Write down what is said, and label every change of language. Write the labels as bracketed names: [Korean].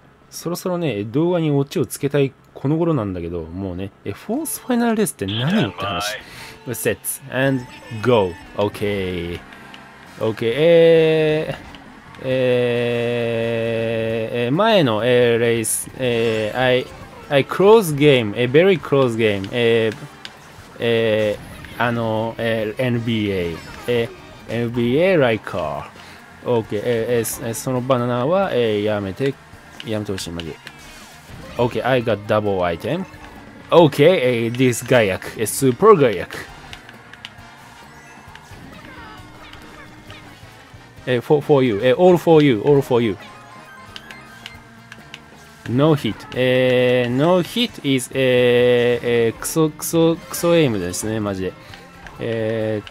[Japanese] そろそろね、動画にオチをつけたいこの頃なんだけど、もうね、フォースファイナルレースって何よって話。 [English] セット and go. OK. OK, [Japanese] 前の、レース、 [English] I close game, a very close game, NBA, NBA like car. [Japanese] OK, そのバナナは、やめてほしいまで。 [English] OK, I got double item. OK, this guy, a super guy. for you, all for you, all for you. No hit. No hit is [Japanese] クソエイムですね、マジで。